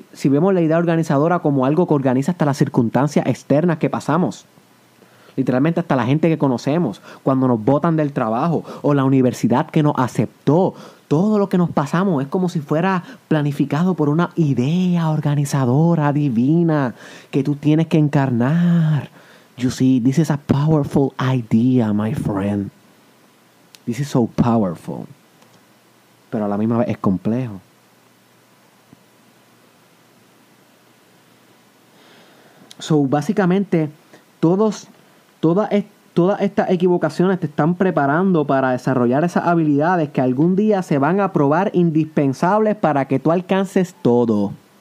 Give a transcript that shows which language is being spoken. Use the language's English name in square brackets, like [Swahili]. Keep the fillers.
[Spanish] Si vemos la idea organizadora como algo que organiza hasta las circunstancias externas que pasamos literalmente hasta la gente que conocemos, cuando nos botan del trabajo o la universidad que nos aceptó. Todo lo que nos pasamos es como si fuera planificado por una idea organizadora divina que tú tienes que encarnar. [English] You see, this is a powerful idea, my friend. This is so powerful. [Spanish] Pero a la misma vez es complejo. So, básicamente, todos Todas, todas estas equivocaciones te están preparando para desarrollar esas habilidades que algún día se van a probar indispensables para que tú alcances todo.